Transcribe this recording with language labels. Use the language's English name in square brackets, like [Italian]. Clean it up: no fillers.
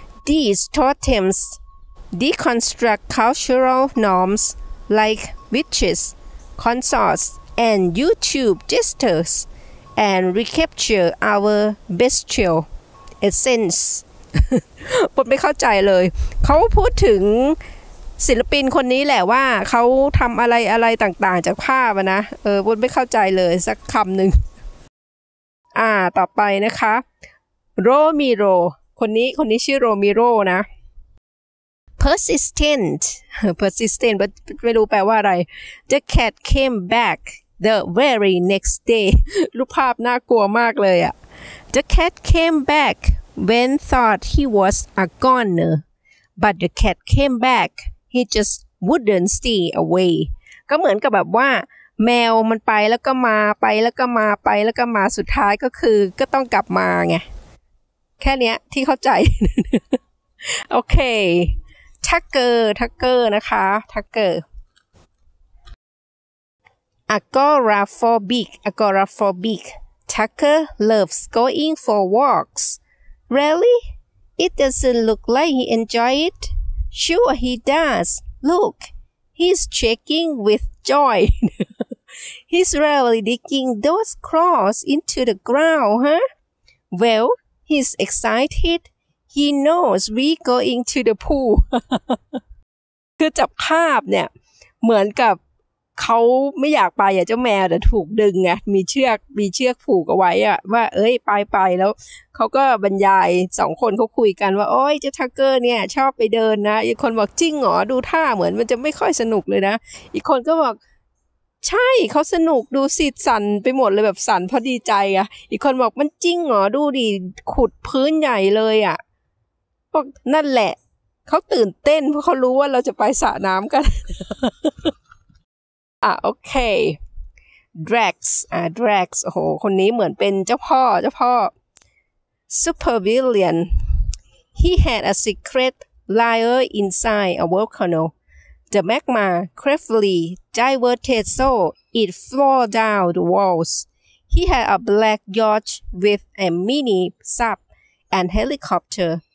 [English] These totems deconstruct cultural norms like witches, consorts, and YouTube jesters, and recapture our bestial essence. [Thai] ผมไม่เข้าใจเลยเขาพูดถึงศิลปินคนนี้แหละว่าเขาทำอะไรต่างๆจากภาพนะบนไม่เข้าใจเลยสักคำหนึ่ง ต่อไปนะคะโรมิโรคนนี้ชื่อโรมิโรนะ [English] persistent but [Thai] ไม่รู้แปลว่าอะไร [English] the cat came back the very next day [Thai] รูปภาพน่ากลัวมากเลยอะ [English] the cat came back when thought he was a goner but the cat came backHe just wouldn't stay away. [Thai] ก็เหมือนกับแบบว่าแมวมันไปแล้วก็มาไปแล้วก็มาไปแล้วก็มาสุดท้ายก็คือก็ต้องกลับมาไงแค่เนี้ยที่เข้าใจโอเคทักเกอร์นะคะทักเกอร์ [English] agoraphobic Tucker loves going for walks. Really? It doesn't look like he enjoys itSure he does. Look, he's shaking with joy. He's really digging those claws into the ground, huh? Well, he's excited. He knows we're going to the pool. [Thai] คือจับภาพเนี่ยเหมือนกับเขาไม่อยากไปอ่ะเจ้าแมวแต่ถูกดึงไงมีเชือกผูกเอาไว้อ่ะว่าเอ้ยไปแล้วเขาก็บรรยายสองคนเขาคุยกันว่าโอ้ยเจ้าทักเกอร์เนี่ยชอบไปเดินนะอีกคนบอกจริงหรอดูท่าเหมือนมันจะไม่ค่อยสนุกเลยนะอีกคนก็บอก ใช่เขาสนุกดูสิสั่นไปหมดเลยแบบสั่นเพราะดีใจอ่ะอีกคนบอกมันจริงหรอดูดิขุดพื้นใหญ่เลยอ่ะบอกนั่นแหละเขาตื่นเต้นเพราะเขารู้ว่าเราจะไปสระน้ำกัน โอเคDrax Drax โอ้โหคนนี้เหมือนเป็นเจ้าพ่อ [English] Supervillain He had a secret lair inside a volcano The magma carefully diverted so it flowed down the walls He had a black yacht with a mini sub and helicopter